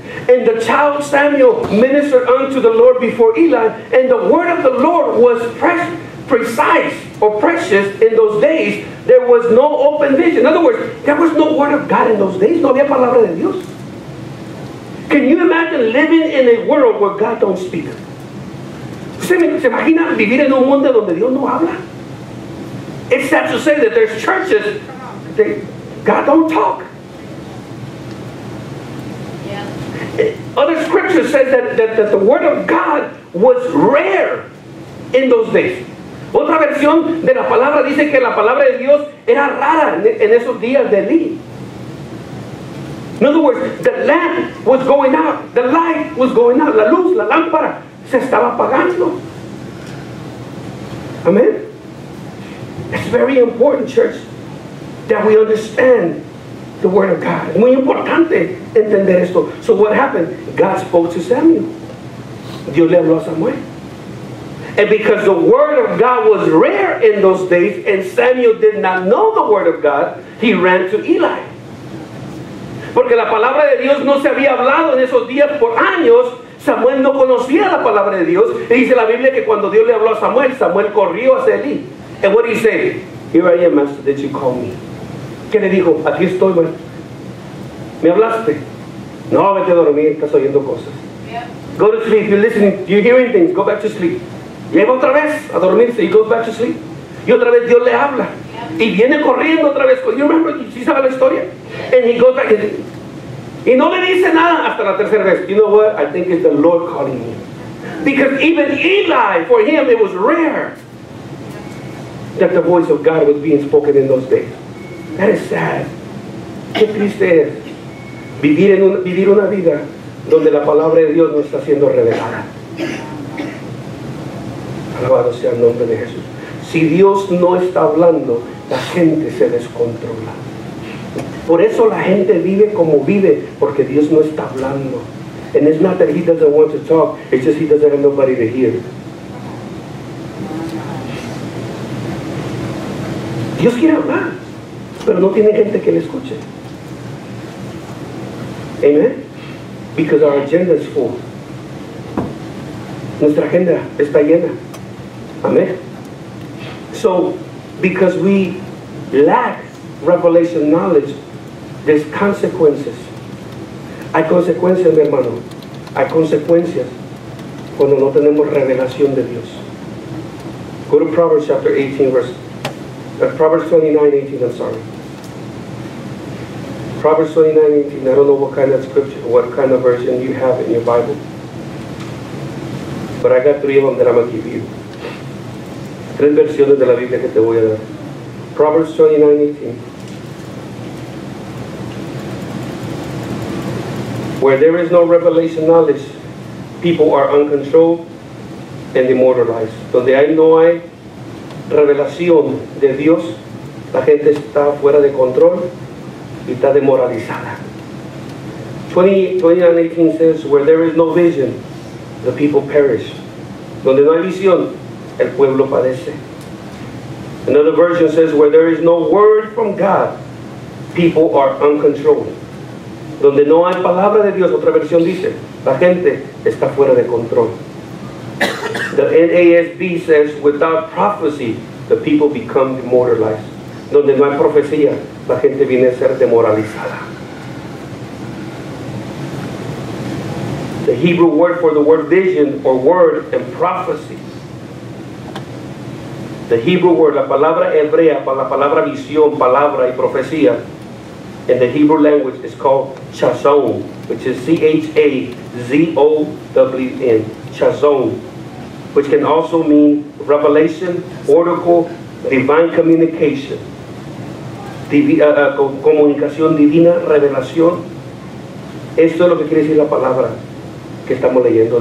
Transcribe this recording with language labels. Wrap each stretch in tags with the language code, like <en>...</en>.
<en>And the child Samuel ministered unto the Lord before Eli, and the word of the Lord was precise or precious in those days. There was no open vision. In other words, there was no word of God in those days.</en> <es>No había palabra de Dios.</es> <en>Can you imagine living in a world where God don't speak?</en> <es>¿Se imagina vivir en un mundo donde Dios no habla?</es> <en>It's sad to say that there's churches that God don't talk. Yeah. Other scripture says that the word of God was rare in those days.</en> <es>Otra versión de la palabra dice que la palabra de Dios era rara en esos días de Eli.</es> <en>In other words, the lamp was going out. The light was going out.</en> <es>La luz, la lámpara, se estaba apagando.</es> <en>Amen? It's very important, church, that we understand the word of God.</en> <es>Muy importante entender esto.</es> <en>So what happened? God spoke to Samuel.</en> <es>Dios le habló a Samuel.</es> <en>And because the word of God was rare in those days, and Samuel did not know the word of God, he ran to Eli.</en> <es>Porque la palabra de Dios no se había hablado en esos días por años. Samuel no conocía la palabra de Dios. Y dice la Biblia que cuando Dios le habló a Samuel, Samuel corrió hacia Eli.</es> <en>And what did he say? Here I am, master, did you call me?</en> <es>¿Qué le dijo? Aquí estoy, man. ¿Me hablaste? No, vete a dormir, estás oyendo cosas.</es> <en>Yeah. Go to sleep, you're listening, you're hearing things, go back to sleep.</en> <es>Lleva otra vez a dormirse,</es> <en>he goes back to sleep.</en> <es>Y otra vez Dios le habla.</es> <en>Yeah.</en> <es>Y viene corriendo otra vez.</es> <en>You remember,</en> <es>¿sí sabe la historia?</es> <en>Yeah. And he goes back.</en> <es>Y no le dice nada hasta la tercera vez.</es> <en>You know what? I think it's the Lord calling me. Because even Eli, for him, it was rare that the voice of God was being spoken in those days. That is sad.</en> <es>Qué triste es vivir una vida donde la palabra de Dios no está siendo revelada. Alabado sea el nombre de Jesús. Si Dios no está hablando, la gente se descontrola. Por eso la gente vive como vive, porque Dios no está hablando.</es> <en>And it's not that he doesn't want to talk, it's just he doesn't have nobody to hear.</en> <es>Dios quiere hablar, pero no tiene gente que le escuche.</es> <en>Amen. Because our agenda is full.</en> <es>Nuestra agenda está llena. Amen.</es> <en>So, because we lack revelation knowledge, there's consequences.</en> <es>Hay consecuencias, mi hermano. Hay consecuencias cuando no tenemos revelación de Dios.</es> <en>Go to Proverbs chapter 18, Proverbs 29:18. I don't know what kind of scripture, what kind of version you have in your Bible. But I got three of them that I'm going to give you.</en> <es>Tres versiones de la Biblia que te voy a dar.</es> <en>Proverbs 29:18. Where there is no revelation knowledge, people are uncontrolled and immortalized.</en> <es>Donde hay no hay revelación de Dios, la gente está fuera de control y está demoralizada.</es> <en>29:18 says, where there is no vision, the people perish.</en> <es>Donde no hay visión, el pueblo padece.</es> <en>Another version says, where there is no word from God, people are uncontrolled.</en> <es>Donde no hay palabra de Dios, otra versión dice, la gente está fuera de control.</es> <en>The NASB says, without prophecy, the people become demoralized.</en> <es>Donde no hay profecía, la gente viene a ser demoralizada.</es> <en>The Hebrew word for the word vision or word and prophecy. The Hebrew word,</en> <es>la palabra hebrea para la palabra visión, palabra y profecía.</es> <en>In the Hebrew language, it's called chazon, which is C-H-A-Z-O-W-N, chazon, which can also mean revelation, oracle, divine communication,</en> <es>comunicación divina, revelación. Esto es lo que quiere decir la palabra que estamos leyendo.</es>